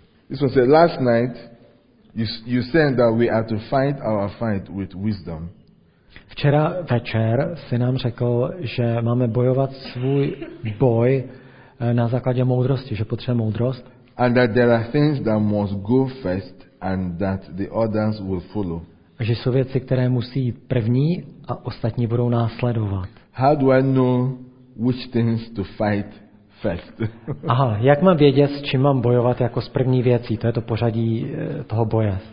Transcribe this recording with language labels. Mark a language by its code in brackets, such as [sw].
[en] This one said, last night, you said that we are to fight our fight with wisdom. [cs] Včera večer si nám řekl, že máme bojovat svůj boj na základě moudrosti, že potřebujeme moudrost. [en] And that there are things that must go first and that the others will follow. [cs] A že jsou věci, které musí jít první a ostatní budou následovat. [en] How do I know which things to fight? [cs] Aha, jak mám vědět, s čím mám bojovat jako s první věcí? To je to pořadí toho boje.